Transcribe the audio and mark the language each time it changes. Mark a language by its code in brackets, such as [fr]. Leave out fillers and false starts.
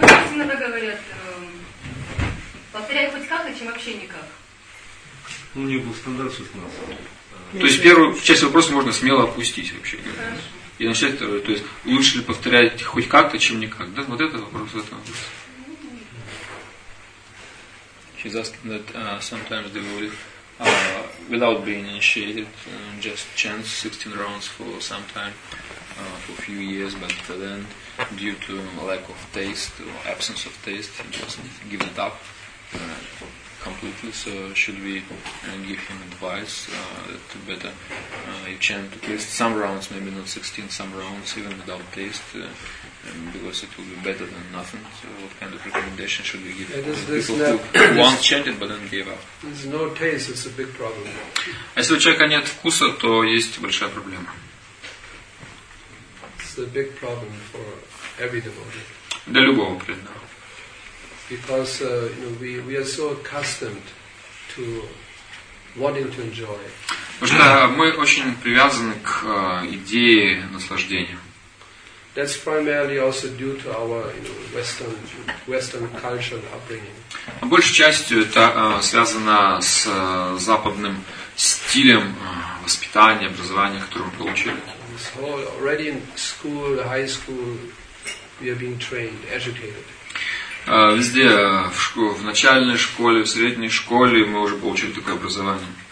[ru] Ну, допустим, иногда говорят, повторяй хоть как-то, чем вообще никак. Ну, у нее был стандарт 16. То есть первую часть вопроса можно смело опустить вообще. Хорошо. И начать второй. То есть лучше ли повторять хоть как-то, чем никак? Да, вот это вопрос. [en] She's asking that sometimes they will, without being initiated, just chant 16 rounds for some time, for a few years, but then due to lack of taste or absence of taste, just give it up completely. So should we give him advice to better you chant at least some rounds, maybe not 16, some rounds even without taste, because it will be better than nothing. So what kind of recommendation should we give people who once chanted but then gave up? There's no taste, it's a big problem. [ru] Если у человека нет вкуса, то есть большая проблема. [en] It's a big problem for every devotee. [ru] Для любого преданного. [en] Because we are so accustomed to wanting to enjoy. [ru] Потому что мы очень привязаны к идее наслаждения. [en] That's primarily also due to our Western cultural upbringing. [ru] А большей частью это связано с западным стилем воспитания, образования, которое мы получили. [en] So already in school, high school, we are being trained, educated. [ru] Везде, в начальной школе, в средней школе мы уже получили такое образование.